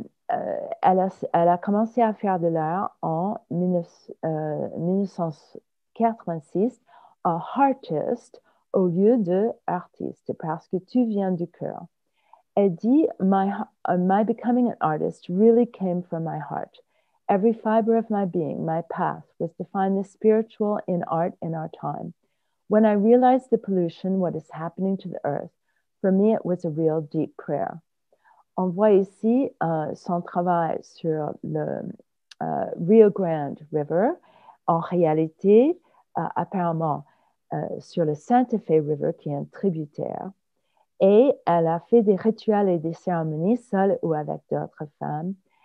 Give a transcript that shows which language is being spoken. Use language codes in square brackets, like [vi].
[fr] Elle a commencé à faire de l'art en 1986 en artiste au lieu de artiste parce que tu viens du cœur. Elle dit, [en] My becoming an artist really came from my heart. Every fiber of my being, my path, was to find the spiritual in art in our time. When I realized the pollution, what is happening to the earth, for me it was a real deep prayer. [fr] On voit ici son travail sur le Rio Grande River, en réalité, apparemment, sur le Santa Fe River, qui est un tributaire. Et elle a fait des rituels et des cérémonies, seule ou avec d'autres femmes.